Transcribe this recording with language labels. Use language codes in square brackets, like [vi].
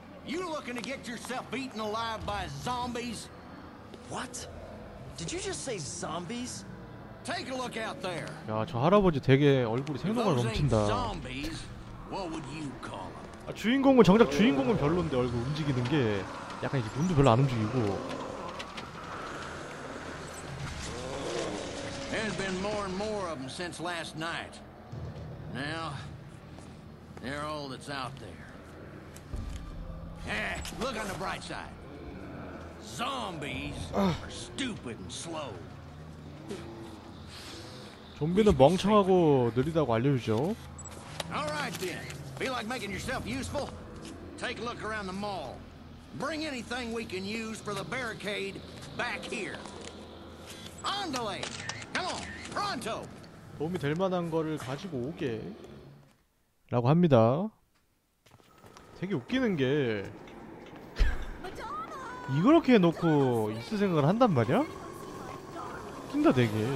[en] You looking to get yourself eaten alive by zombies? What? Did you just say zombies? Take a look out there. [ko] 야, 저 할아버지 되게 얼굴이 생동감 넘친다. [en] Zombies, what would you call them? [ko] 아, 주인공은 정작 주인공은 별론데 얼굴 움직이는 게 약간 이제 눈도 별로 안 움직이고. [en] There's been more and more of them since last night. Now, they're all that's out there. Hey, look on the bright side. Zombies are stupid and slow. [ko] 좀비는 멍청하고 느리다고 알려주죠. [en] All right then. Feel like making yourself useful? Take a look around the mall. Bring anything we can use for the barricade back here. Andale. Come on, pronto. [ko] 도움이 될 만한 거를 가지고 오게. 라고 합니다. 되게 웃기는 게 이렇게 해놓고 있을 생각을 한단 말이야? 웃긴다 되게.